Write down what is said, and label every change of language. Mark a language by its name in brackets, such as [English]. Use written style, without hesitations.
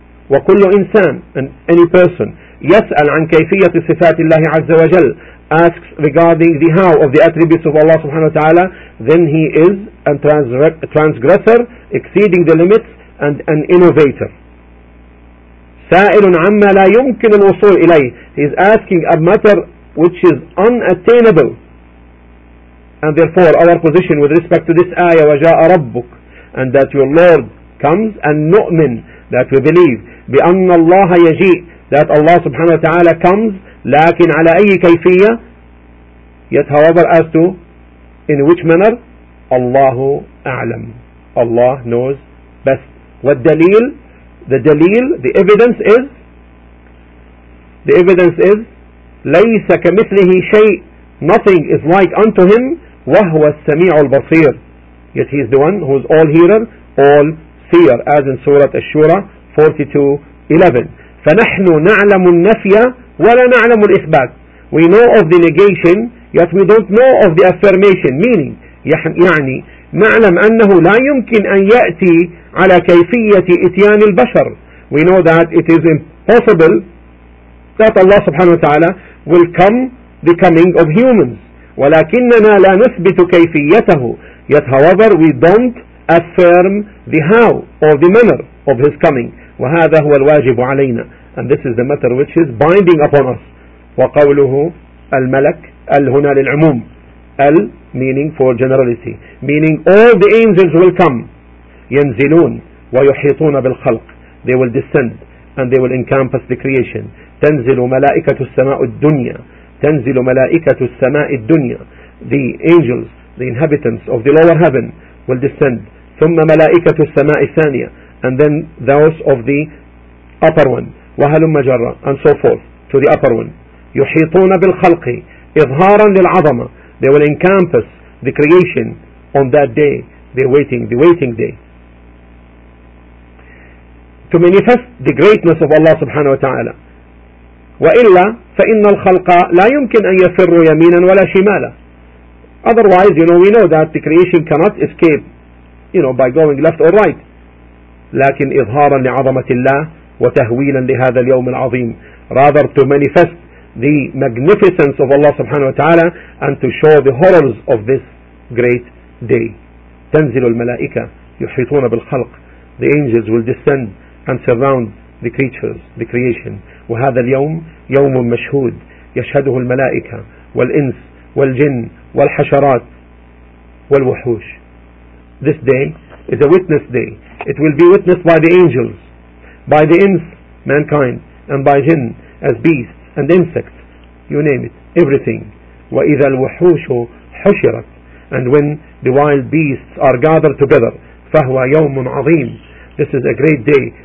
[Arabic] وكل إنسان, [English] and any person, [Arabic] يسأل عن كيفية صفات الله عز وجل, [English] asks regarding the how of the attributes of Allah subhanahu wa ta'ala, then he is a transgressor, exceeding the limits, and an innovator. [Arabic] سائل عما لا يمكن الوصول إليه. [English] He is asking a matter which is unattainable. And therefore our position with respect to this ayah [Arabic] وجاء ربك, [English] and that your Lord comes, and نؤمن, that we believe [Arabic] بأن الله يجيء, [English] that Allah subhanahu wa ta'ala comes, [Arabic] لكن على أي كيفية, [English] yet however as to in which manner, [Arabic] الله أعلم, [English] Allah knows best. والدليل, the evidence is [Arabic] ليس كمثله شيء, [English] nothing is like unto him, [Arabic] وهو السميع البصير, [English] yet he is the one who is all hearer, all seer, as in Surah Ash-Shura 42:11. [Arabic] فنحن نعلم النفي ولا نعلم الإثبات. [English] We know of the negation, yet we don't know of the affirmation. [Arabic] Meaning, يعني نعلم أنه لا يمكن أن يأتي على كيفية إتيان البشر. [English] We know that it is impossible that Allah subhanahu wa ta'ala will come the coming of humans. [Arabic] ولكننا لا نثبت كيفيته. [English] Yet however, we don't affirm the how or the manner of his coming. [Arabic] وهذا هو الواجب علينا. [English] And this is the matter which is binding upon us. [Arabic] وقوله الملك الهنا للعموم. [English] ال meaning for generality. Meaning all the angels will come. [Arabic] ينزلون ويحيطون بالخلق. [English] They will descend and they will encompass the creation. [Arabic] تنزل ملائكة السماء الدنيا. تنزل ملائكة السماء الدنيا. [English] The angels, the inhabitants of the lower heaven will descend. [Arabic] ثم ملائكة السماء الثانية. [English] And then those of the upper one. [Arabic] وهلم جرا. [English] And so forth to the upper one. [Arabic] يحيطون بالخلق إظهارا للعظمة. [English] They will encompass the creation on that day. The waiting day. To manifest the greatness of Allah subhanahu wa ta'ala. [Arabic] وإلا فإن الخلق لا يمكن أن يفر يمينا ولا شمالا. [English] Otherwise, you know, we know that the creation cannot escape, you know, by going left or right. [Arabic] لكن إظهارا لعظمة الله وتهويلا لهذا اليوم العظيم. [English] Rather to manifest the magnificence of Allah subhanahu wa ta'ala and to show the horrors of this great day. [Arabic] تنزل الملائكة يحيطون بالخلق. [English] The angels will descend and surround the creatures, the creation. [Arabic] وهذا اليوم يوم مشهود يشهده الملائكة والإنس والجن والحشرات والوحوش. [English] This day is a witness day. It will be witnessed by the angels, by the ins, mankind, and by jinn as beasts and insects, you name it, everything. [Arabic] وإذا الوحوش حشرت. [English] And when the wild beasts are gathered together, [Arabic] فهو يوم عظيم. [English] This is a great day.